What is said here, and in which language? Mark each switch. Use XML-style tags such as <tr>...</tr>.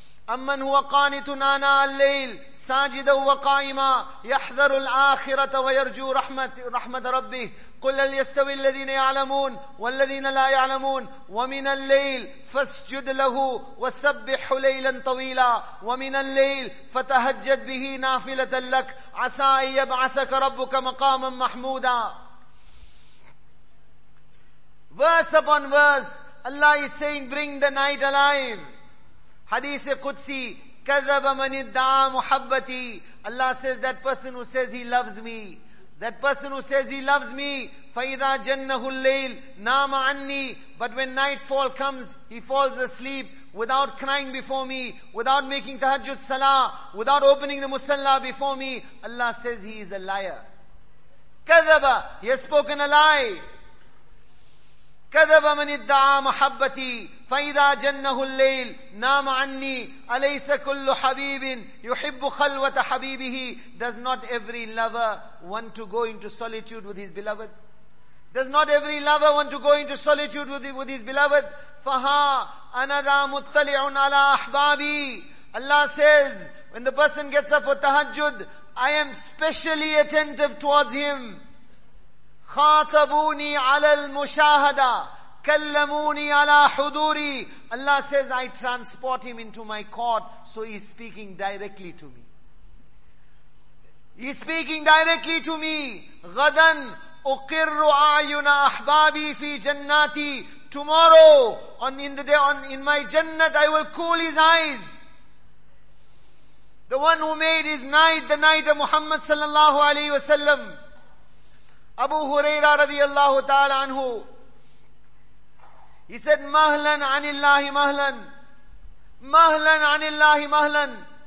<ar>أَمَّنْ هُوَ قَانِتٌ آنَاءَ اللَّيْلِ سَاجِدًا وَقَائِمًا يَحْذَرُ الْآخِرَةَ وَيَرْجُو رَحْمَةَ رَبِّهِ قُلْ هَلْ يَسْتَوِي الَّذِينَ يَعْلَمُونَ وَالَّذِينَ لَا يَعْلَمُونَ وَمِنَ اللَّيْلِ فَاسْجُدْ لَهُ وَسَبِّحْهُ لَيْلًا طَوِيلًا وَمِنَ اللَّيْلِ فَتَهَجَّدْ بِهِ نَافِلَةً لَّكَ عَسَى أَن يَبْعَثَكَ رَبُّكَ مَقَامًا مَّحْمُودًا.</ar> <en>Verse upon verse, Allah is saying, bring the night alive.</en> <ar>Hadith Qudsi, كَذَبَ مَنِ الدَّعَى مُحَبَّتِي.</ar> <en>Allah says, that person who says he loves me, that person who says he loves me,</en> <ar>فَإِذَا جَنَّهُ اللَّيْلِ نَامَ عَنِّي.</ar> <en>But when nightfall comes, he falls asleep without crying before me, without making tahajjud salah, without opening the musalla before me. Allah says he is a liar. كَذَبَ, he has spoken a lie.</en> <ar>كَذَبَ مَنِ الدَّعَى مُحَبَّتِي فَإِذَا جَنَّهُ اللَّيْلِ نَامَ عَنِّي أَلَيْسَ كُلُّ حَبِيبٍ يُحِبُّ خَلْوَةَ حَبِيبِهِ.</ar> <en>Does not every lover want to go into solitude with his beloved? Does not every lover want to go into solitude with his beloved?</en> <ar>فَهَا أَنَا ذَا مُطَّلِعٌ عَلَىٰ أَحْبَابِي.</ar> <en>Allah says, when the person gets up for tahajjud, I am specially attentive towards him.</en> <ar>خاطبوني على المشاهدة كلموني على حضوري.</ar> <en>Allah says, I transport him into my court, so he's speaking directly to me. He's speaking directly to me.</en> <ar>غدا أقر أعين أحبابي في جناتي.</ar> <en>Tomorrow, in my jannat, I will cool his eyes. The one who made his night the night of Muhammad sallallahu alaihi wasallam. Abu Huraira radiallahu ta'ala anhu, he said,</en> <ar>mahlan anillahi mahlan, mahlan anillahi mahlan.</ar>